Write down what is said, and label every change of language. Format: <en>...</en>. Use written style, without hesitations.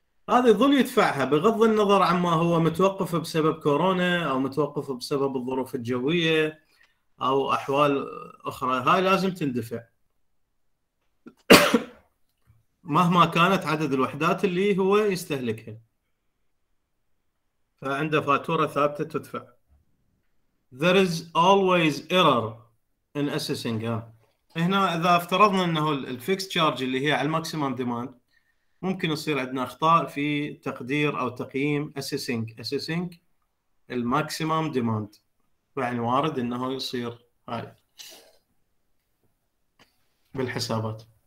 <ar>هذا يظل يدفعها بغض النظر عما هو متوقف بسبب كورونا او متوقف بسبب الظروف الجويه او احوال اخرى، هاي لازم تندفع مهما كانت عدد الوحدات اللي هو يستهلكها، فعنده فاتوره ثابته تدفع.</ar> <en>There is always error in assessing.</en> <ar>هنا إذا افترضنا أنه الفيكست تشارج اللي هي على الماكسيمم ديماند ممكن يصير عندنا أخطاء في تقدير أو تقييم assessing الماكسيمم ديماند، يعني وارد أنه يصير هاي بالحسابات.</ar>